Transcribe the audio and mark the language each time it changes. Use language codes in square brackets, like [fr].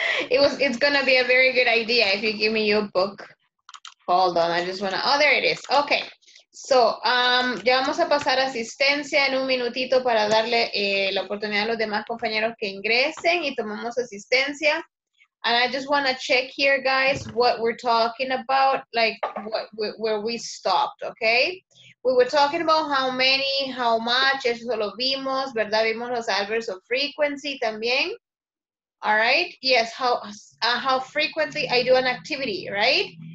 [en] It's going to be a very good idea if you give me your book. Hold on, I just want to... Oh, there it is. Okay. [es] So, ya vamos a pasar asistencia en un minutito para darle la oportunidad a los demás compañeros que ingresen y tomamos asistencia. [en] And I just want to check here, guys, what we're talking about, like what where we stopped, okay? We were talking about how many, how much, [es] eso lo vimos, ¿verdad? Vimos los [en] adverbs of frequency [es] también. [en] All right? Yes, how frequently I do an activity, right?